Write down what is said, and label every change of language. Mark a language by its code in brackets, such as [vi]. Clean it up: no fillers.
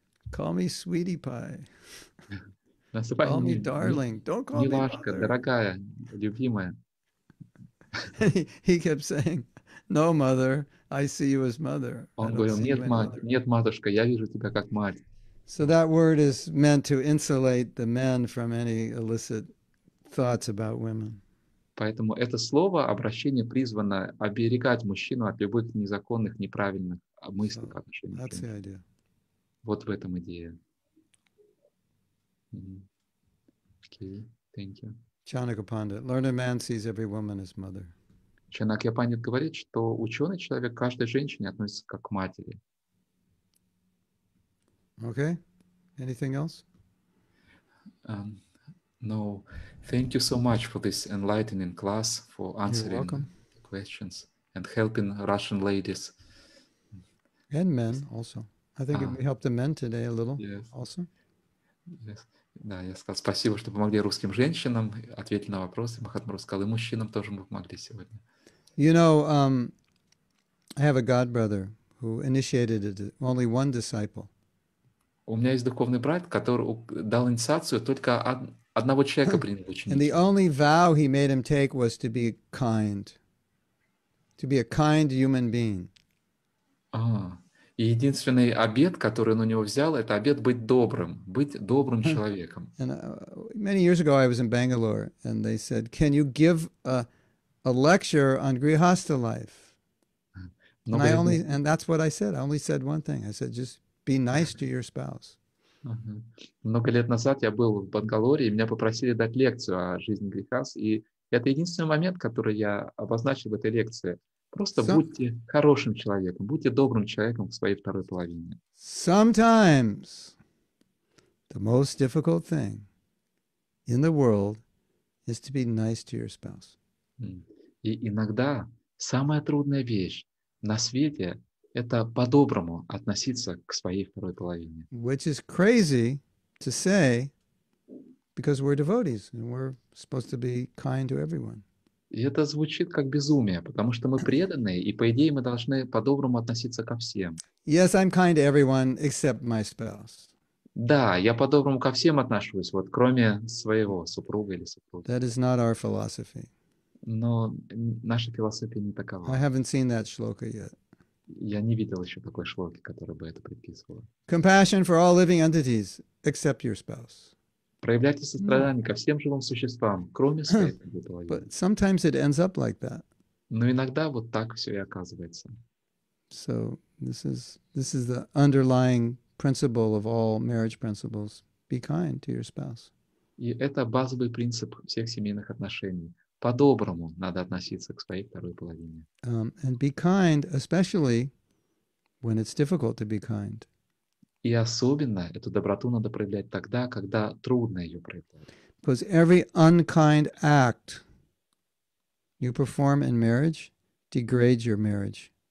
[en] Call me sweetie pie. [ru] Называй [en] call me darling. Don't call [ru] милашка, [en] me [ru] дорогая, любимая. [en] He kept saying, "No, mother. I see you as mother." [ru] Он говорил, нет, мать, нет, матушка, я вижу тебя как мать. [en] So that word is meant to insulate the men from any illicit thoughts about women. [ru] Поэтому это слово, обращение, призвано оберегать мужчину от любых незаконных, неправильных мыслей по отношению к женщине. Вот в этом идея. [en] Okay, thank you. Chanakya Pandit, learned man sees every woman as mother. [ru] Chanakya Pandit говорит, что ученый человек к каждой женщине относится как к матери. [en] Okay, anything else? No, thank you so much for this enlightening class, for answering the questions and helping Russian ladies. And men also. I think we helped the men today a little. Yes. Also. Yes. [ru] Да, я сказал спасибо, что помогли русским женщинам, ответили на вопросы. Махатма сказал, и мужчинам тоже мы помогли сегодня. [en] You know, I have a god brother who initiated only one disciple. [ru] У меня есть духовный брат, который дал инициацию только одного человека принял ученичество. [en] And the only vow he made him take was to be kind. To be a kind human being. [ru] И единственный обет, который он у него взял, это обет быть добрым человеком. [en] And many years ago I was in Bangalore and they said, "Can you give a lecture on grihastha life?" And that's what I said. I only said one thing. I said, "Just be nice to your spouse." [ru] Много лет назад я был в Бангалоре, и меня попросили дать лекцию о жизни грехас, и это единственный момент, который я обозначил в этой лекции. Просто будьте хорошим человеком, будьте добрым человеком в своей второй половине. [en] Sometimes the most difficult thing in the world is to be nice to your spouse. [ru] И иногда самая трудная вещь на свете — это по-доброму относиться к своей второй половине. [en] Which is crazy to say, Because we're devotees and we're supposed to be kind to everyone. [ru] Это звучит как безумие, потому что мы преданные, и по идее мы должны по-доброму относиться ко всем. [en] Yes, I'm kind to everyone except my spouse. [ru] Да, я по-доброму ко всем отношусь, вот кроме своего супруга или супруги. [en] That is not our philosophy. [ru] Но наша философия не такова. [en] I haven't seen that shloka yet. [ru] Я не видел еще такой шлоки, которая бы это предписывала. [en] Compassion for all living entities except your spouse. [ru] Проявляйте сострадание ко всем живым существам, кроме своей половины. [en] But sometimes it ends up like that. [ru] Но иногда вот так все и оказывается. [en] So this is the underlying principle of all marriage principles. Be kind to your spouse. [ru] И это базовый принцип всех семейных отношений. По-доброму надо относиться к своей второй половине. [en] And be kind, especially when it's difficult to be kind. [ru] И особенно эту доброту надо проявлять тогда, когда трудно ее проявлять. [en] Because every unkind act you perform in marriage degrades your marriage.